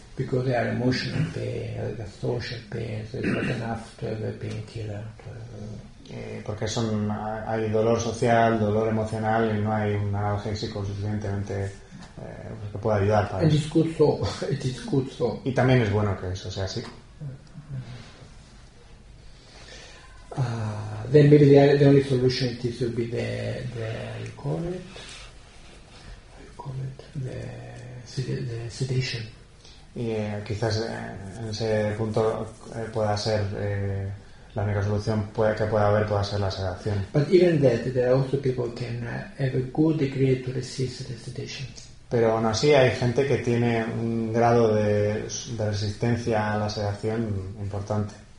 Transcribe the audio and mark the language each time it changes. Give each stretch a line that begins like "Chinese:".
English: Because they are emotional pain, the social pain, so it's not enough to have a painkiller.
Spanish: Porque son hay dolor social, dolor emocional y no hay un analgésico suficientemente que pueda ayudar para eso.
English: It is good so.
Spanish: Y también es bueno que eso sea así.
English: Then maybe the only solution it is to be the sedation.
Spanish: Y quizás en ese punto pueda ser la única solución pueda ser la sedación.
English: But even that, there are also people can have a good degree to resist the sedation.
Spanish: Pero aún así hay gente que tiene un grado de resistencia a la sedación importante.